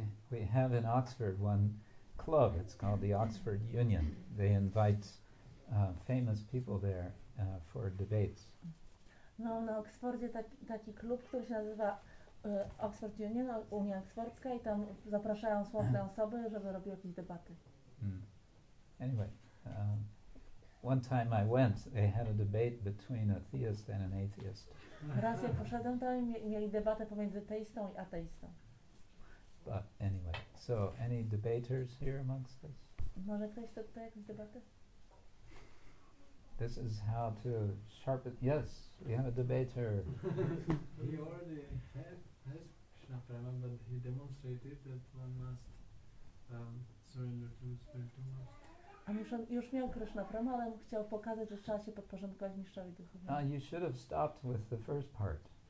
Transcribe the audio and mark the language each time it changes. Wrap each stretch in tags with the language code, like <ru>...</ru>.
<en>We have in Oxford one club. It's called the Oxford Union. They invite famous people there for debates.</en> <pl>No, na Oksfordzie taki klub, który się nazywa Oxford Union, Unia Oksfordzka, i tam zapraszają sławne osoby, żeby robić jakieś debaty.</pl> <en>Anyway, one time I went, they had a debate between a theist and an atheist.</en> <pl>Raz ja poszedłem tam i mieli debatę pomiędzy teistą i ateistą.</pl> <en>But anyway, so any debaters here amongst us?</en> <pl>Może ktoś chce tutaj jakąś debatę?</pl> <en>This is how to sharpen. Yes, we have a debater. He already has Krishna Prema, but he demonstrated that one must surrender to the spiritual master.</en> <pl>A już miał Krishna Prema, ale chciał pokazać, że trzeba się podporządkować mistrzowi duchowemu.</pl> <en>You should have stopped with the first part.</en>